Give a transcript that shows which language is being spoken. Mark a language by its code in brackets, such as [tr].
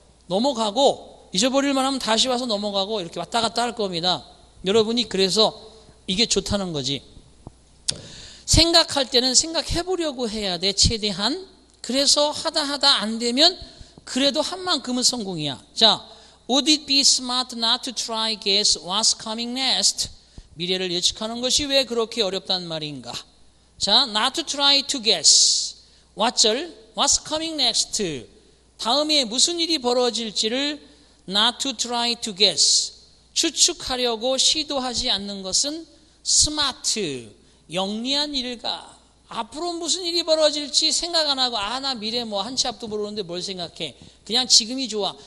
[ko] 넘어가고 잊어버릴만 하면 다시 와서 넘어가고 이렇게 왔다 갔다 할 겁니다. 여러분이 그래서 이게 좋다는 거지. 생각할 때는 생각해보려고 해야 돼, 최대한. 그래서 하다 하다 안 되면 그래도 한 만큼은 성공이야. 자, [en] Would it be smart not to try guess what's coming next? [ko] 미래를 예측하는 것이 왜 그렇게 어렵단 말인가? 자, [en] not to try to guess. What's coming next? [ko] 다음에 무슨 일이 벌어질지를 [en] not to try to guess. [ko] 추측하려고 시도하지 않는 것은 smart. 영리한 일일까? 앞으로 무슨 일이 벌어질지 생각 안 하고 아, 나 미래 뭐 한치 앞도 모르는데 뭘 생각해. 그냥 지금이 좋아.